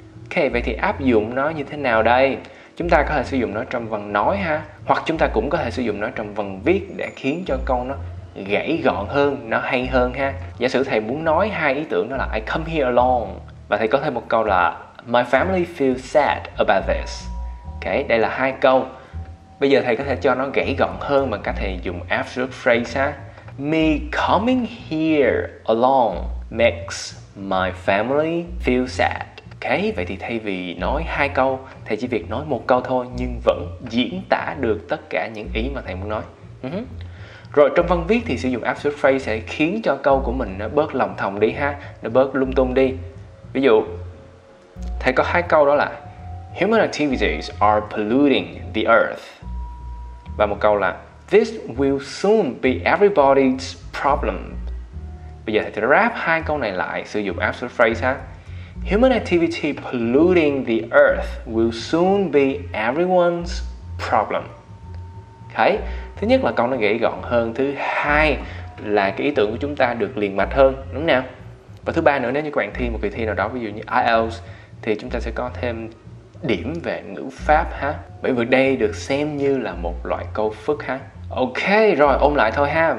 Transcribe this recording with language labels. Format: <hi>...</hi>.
<vi>Ok, vậy thì áp dụng nó như thế nào đây? Chúng ta có thể sử dụng nó trong văn nói ha, hoặc chúng ta cũng có thể sử dụng nó trong văn viết để khiến cho câu nó gãy gọn hơn, nó hay hơn ha. Giả sử thầy muốn nói hai ý tưởng, đó là</vi> <en>I come here alone,</en> <vi>và thầy có thêm một câu là</vi> <en>my family feels sad about this.</en> <vi>Ok, đây là hai câu. Bây giờ thầy có thể cho nó gãy gọn hơn bằng cách thầy dùng absolute phrase ha.</vi> <en>Me coming here alone makes my family feel sad.</en> <vi>Ok, vậy thì thay vì nói hai câu, thầy chỉ việc nói một câu thôi nhưng vẫn diễn tả được tất cả những ý mà thầy muốn nói. Rồi trong văn viết thì sử dụng absolute phrase sẽ khiến cho câu của mình nó bớt lòng thòng đi ha, nó bớt lung tung đi. Ví dụ, thầy có hai câu đó là</vi> <en>human activities are polluting the earth.</en> <vi>Và một câu là</vi> <en>this will soon be everybody's problem.</en> <vi>Bây giờ thầy sẽ wrap hai câu này lại sử dụng absolute phrase ha.</vi> <en>Human activity polluting the earth will soon be everyone's problem. Okay.</en> <vi>Thứ nhất là câu nó gãy gọn hơn, thứ hai là cái ý tưởng của chúng ta được liền mạch hơn, đúng nào? Và thứ ba nữa, nếu như các bạn thi một kỳ thi nào đó, ví dụ như IELTS, thì chúng ta sẽ có thêm điểm về ngữ pháp ha. Bởi vì đây được xem như là một loại câu phức ha. Ok, rồi ôm lại thôi ha.</vi>